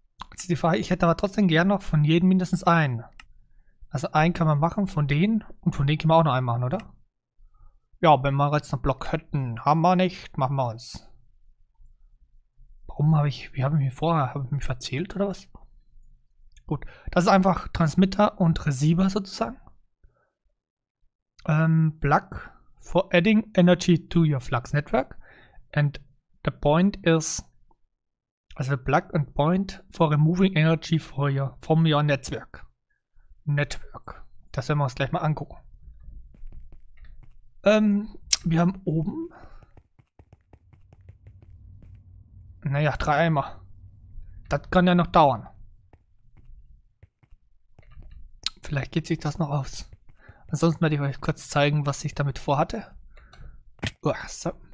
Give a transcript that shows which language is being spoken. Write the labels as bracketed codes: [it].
[de] Jetzt ist die Frage, ich hätte aber trotzdem gern noch von jedem mindestens einen. Also einen kann man machen von denen. Und von denen können wir auch noch einen machen, oder? Ja, wenn wir jetzt einen Block hätten, haben wir nicht. Machen wir uns. Warum habe ich, wie habe ich mich vorher, habe ich mich verzählt oder was? Gut, das ist einfach Transmitter und Receiver sozusagen. [en] Block for adding energy to your Flux Network. And the point is, also Block and Point for removing energy for your, from your Network. Network. [de] Das werden wir uns gleich mal angucken. Wir haben oben. Naja, 3 Eimer. Das kann ja noch dauern. Vielleicht geht sich das noch aus. Ansonsten werde ich euch kurz zeigen, was ich damit vorhatte. Uah, so.